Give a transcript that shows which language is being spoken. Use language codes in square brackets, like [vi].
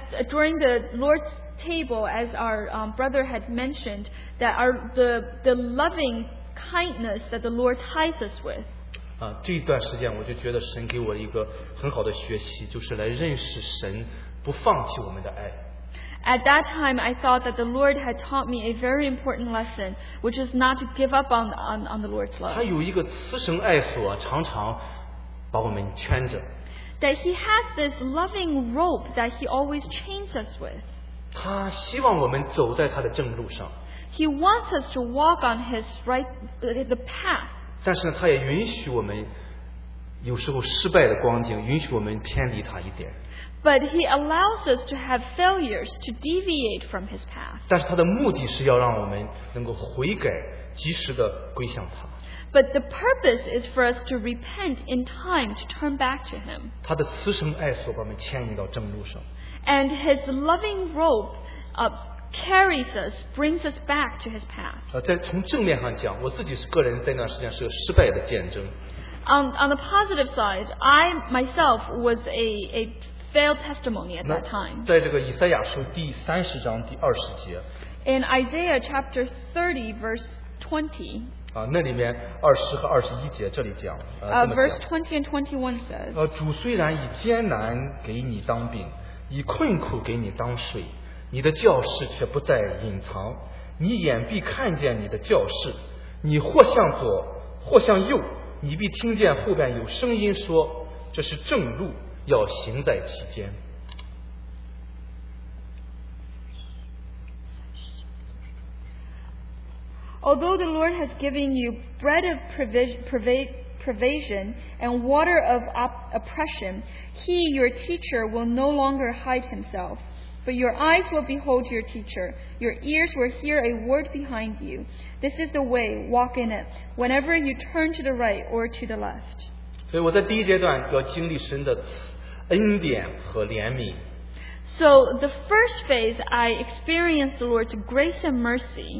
[en] During the Lord's table, as our brother had mentioned, that are the loving kindness that the Lord ties us with. [zh] 这一段时间我就觉得神给我一个很好的学习，就是来认识神，不放弃我们的爱。 [en] At that time, I thought that the Lord had taught me a very important lesson, which is not to give up on the Lord's love. [zh] 他有一个慈绳爱索，常常把我们圈着。 [en] That he has this loving rope that he always chains us with. [zh] 他希望我们走在他的正路上。 [en] He wants us to walk on his right, the path. [zh] 但是呢，他也允许我们有时候失败的光景，允许我们偏离他一点。 [en] But he allows us to have failures to deviate from his path. [zh] 但是他的目的是要让我们能够悔改，及时的归向他。 [en] But the purpose is for us to repent in time to turn back to him. [zh] 他的慈绳爱索把我们牵引到正路上。 [en] And his loving rope carries us, brings us back to his path. [zh] 从正面上讲，我自己是个人在那段时间是个失败的见证。 [en] On the positive side, I myself was a failed testimony at that time. [zh] 在这个以赛亚书第三十章第二十节。 [en] In Isaiah chapter 30, verse 20. [zh] 那里面二十和二十一节这里讲。 [en] Verse 20 and 21 says. [zh] 主虽然以艰难给你当饼，以困苦给你当水。你的教士却不再隐藏，你眼必看见你的教士，你或向左或向右，你必听见后边有声音说，这是正路，要行在其间。 [en] Although the Lord has given you bread of privation and water of oppression, he, your teacher, will no longer hide himself. But your eyes will behold your teacher. Your ears will hear a word behind you. This is the way, walk in it. Whenever you turn to the right or to the left. [zh] 所以我在第一阶段要经历神的恩典和怜悯。 [en] So the first phase, I experienced the Lord's grace and mercy.